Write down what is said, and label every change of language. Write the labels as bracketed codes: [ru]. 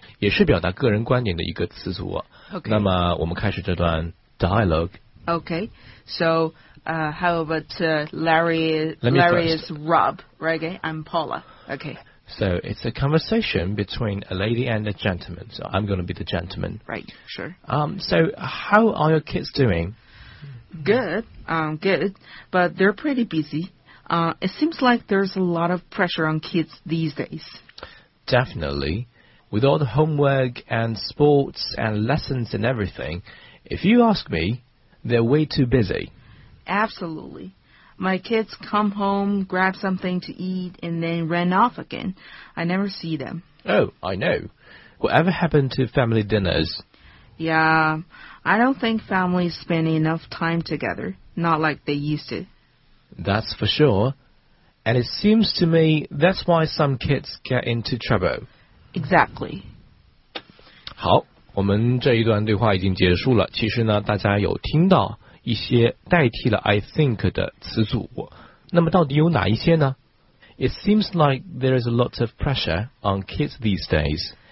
[zh] 也是表达个人观点的一个词组。 [en] Okay. [zh] 那么我们开始这段 dialogue. [en] Okay, so how about Larry is Rob, right? Okay, I'm Paula. Okay. So it's a conversation between a lady and a gentleman. So I'm going to be the gentleman. Right, sure. So how are your kids doing? Good. good, but they're pretty busy. It seems like there's a lot of pressure on kids these days. Definitely. With all the homework and sports and lessons and everything, if you ask me, they're way too busy. Absolutely. My kids come home, grab something to eat, and then run off again. I never see them. Oh, I know. Whatever happened to family dinners? Yeah, I don't think families spend enough time together. Not like they used to. That's for sure. And it seems to me that's why some kids get into trouble. Exactly. [zh] 好，我们这一段对话已经结束了。其实呢，大家有听到一些代替了 [en] I think [zh] 的词组，那么到底有哪一些呢？ [en] It seems like there is a lot of pressure on kids these days.